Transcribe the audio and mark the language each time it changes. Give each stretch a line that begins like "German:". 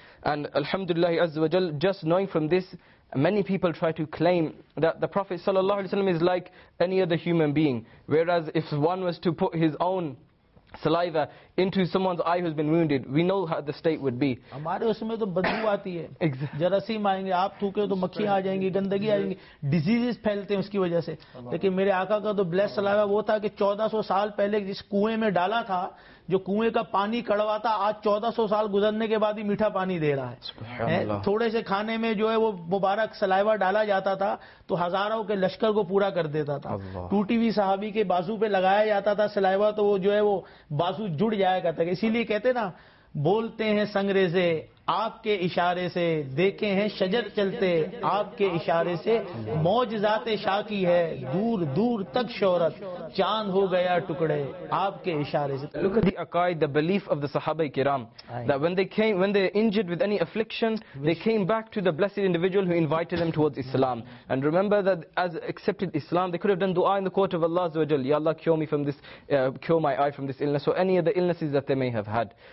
English: And alhamdulillah azza wa jal, just knowing from this, many people try to claim that the Prophet sallallahu alaihi wasallam is like any other human being, whereas if one was to put his own saliva into someone's eye who's been wounded, we know how the state would be.
Hindi: हमारे उसमें तो बदबू आती है.
English: Exactly.
Hindi: जरासीम आएंगे, आप थूके तो मक्खियां आ जाएंगी, गंदगी आ जाएंगी, diseases फैलते हैं उसकी वजह से. लेकिन मेरे आका का तो
English: blessed saliva
Hindi: वो था कि 1400 साल पहले जिस कुएं में डाला था, जो कुएं का पानी कड़वा था, आज 1400 साल गुजरने के बाद ही मीठा पानी दे रहा है. थोड़े से खाने में जो है वो मुबारक सलाइवा डाला जाता था तो हजारों के लश्कर को पूरा कर देता था. टूटी हुई सहाबी के बाजू पे लगाया जाता था सलाइवा तो वो जो है वो बाजू जुड़ जाया करता था. इसीलिए कहते ना, बोलते हैं संगरेजे आपके इशारे से, देखे हैं शजर चलते आपके इशारे से, मौजजात शाकी है दूर दूर तक शोहरत, चांद हो गया टुकड़े आपके इशारे से.
English: Look at the aqaid, the belief of the sahaba kiram, that when they injured with any affliction, they came back to the blessed individual who invited them towards Islam. And remember that as accepted Islam, they could have done dua in the court of Allah azza wa jal, ya Allah, cure my eye from this illness or any other illnesses that they may have had.